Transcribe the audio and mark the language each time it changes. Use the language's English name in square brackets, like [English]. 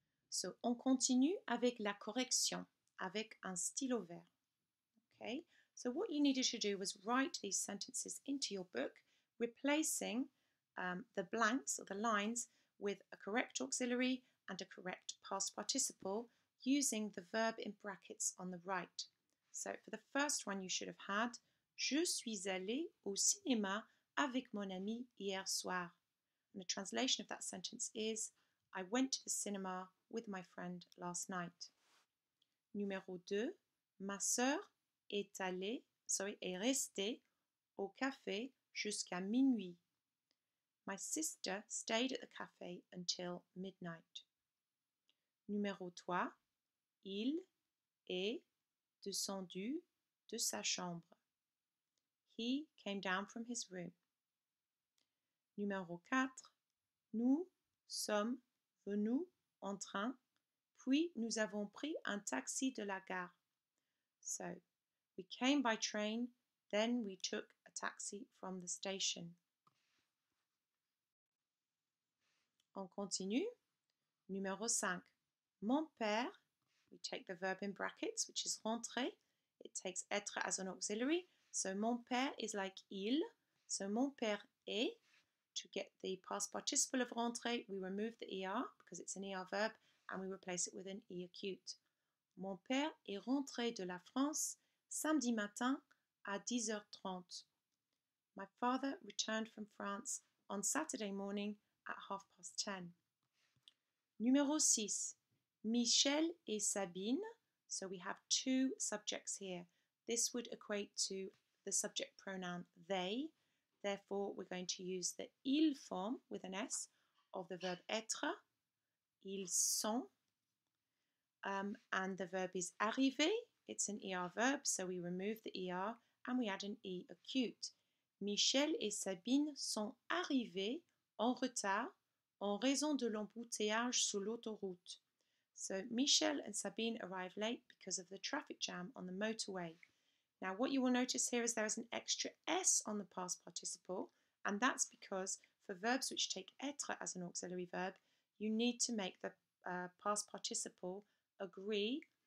[French] So, on continue avec la correction, avec un stylo vert. [English] Okay. So what you needed to do was write these sentences into your book, replacing the blanks or the lines with a correct auxiliary and a correct past participle using the verb in brackets on the right. So for the first one you should have had, [French] je suis allé au cinéma avec mon ami hier soir. [English] And the translation of that sentence is, I went to the cinema with my friend last night. [French] Numéro 2, ma sœur est restée au café jusqu'à minuit. [English] My sister stayed at the café until midnight. [French] Numéro 3, il est descendu de sa chambre. [English] He came down from his room. [French] Numéro 4. Nous sommes venus en train, puis nous avons pris un taxi de la gare. [English] So, we came by train, then we took a taxi from the station. [French] On continue. Numéro 5. Mon père, [English] we take the verb in brackets, which is rentrer. It takes être as an auxiliary. So, [French] mon père [English] is like il. So, [French] mon père est. [English] To get the past participle of rentrer, we remove the ER because it's an ER verb and we replace it with an E acute. [French] Mon père est rentré de la France samedi matin à 10h30. [English] My father returned from France on Saturday morning at 10:30. [French] Numéro 6. [English] Michel et Sabine. So we have two subjects here. This would equate to the subject pronoun they. Therefore, we're going to use the il form with an S of the verb être. [French] Ils sont. [English] And the verb is arriver. It's an ER verb, so we remove the ER and we add an E acute. [French] Michel et Sabine sont arrivés en retard en raison de l'embouteillage sur l'autoroute. [English] So, Michel and Sabine arrive late because of the traffic jam on the motorway. Now, what you will notice here is there is an extra S on the past participle, and that's because for verbs which take être as an auxiliary verb, you need to make the past participle agree.